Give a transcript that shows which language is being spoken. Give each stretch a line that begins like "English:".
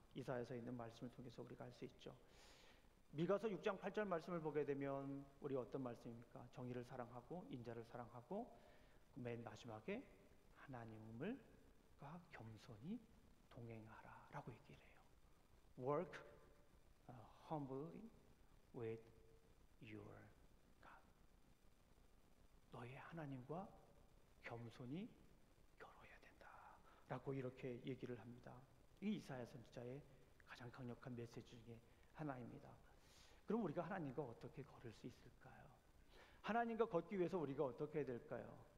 Korean: 이사야에서 있는 말씀을 통해서 우리가 알 수 있죠. 미가서 6장 8절 말씀을 보게 되면 우리 어떤 말씀입니까? 정의를 사랑하고 인자를 사랑하고 맨 마지막에 하나님을 겸손히 동행하라 라고 얘기를 해요.
English: Work humbly with your God.
Korean: 너의 하나님과 겸손히 겨뤄야 된다 라고 이렇게 얘기를 합니다. 이 이사야 선지자의 가장 강력한 메시지 중에 하나입니다. 그럼 우리가 하나님과 어떻게 걸을 수 있을까요? 하나님과 걷기 위해서 우리가 어떻게 해야 될까요?